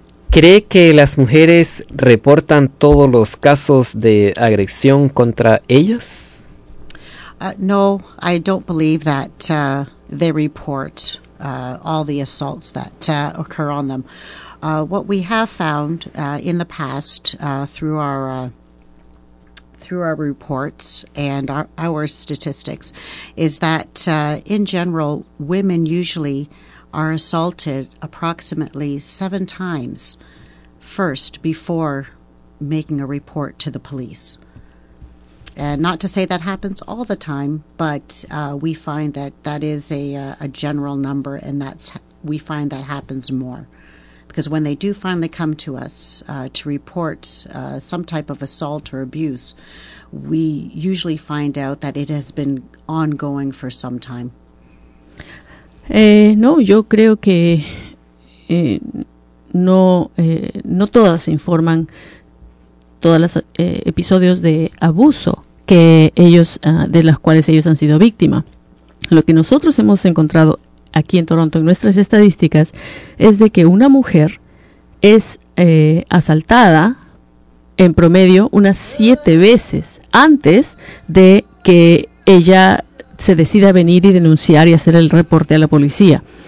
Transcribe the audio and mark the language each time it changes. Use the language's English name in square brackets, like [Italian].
[Spanish] ¿Cree que las mujeres reportan todos los casos de agresión contra ellas? [English] No, I don't believe that they report all the assaults that occur on them. What we have found in the past through our reports and our statistics is that in general, women usually are assaulted approximately seven times first before making a report to the police. And not to say that happens all the time, but we find that that is a general number, and that's we find that happens more. Because when they do finally come to us to report some type of assault or abuse, we usually find out that it has been ongoing for some time. [Spanish] No, yo creo que no, no todas informan todos los episodios de abuso que ellos de las cuales ellos han sido víctima. Lo que nosotros hemos encontrado aquí en Toronto, en nuestras estadísticas, es de que una mujer es asaltada en promedio unas 7 veces antes de que ella se decida venir y denunciar y hacer el reporte a la policía.